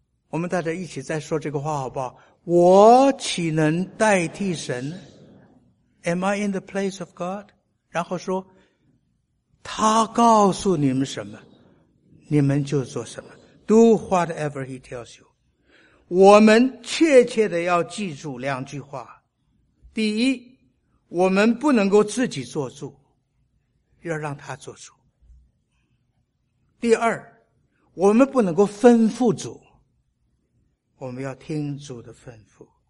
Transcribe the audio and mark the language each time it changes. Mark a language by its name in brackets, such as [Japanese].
[Chinese] 我们大家一起再说这个话好不好？我岂能代替神？ [English] Am I in the place of God? [Chinese] 然后说，他告诉你们什么，你们就做什么。 [English] Do whatever he tells you. [Chinese] 我们切切的要记住两句话。第一，我们不能够自己做主，要让他做主。第二，我们不能够吩咐主，我们要听主的吩咐。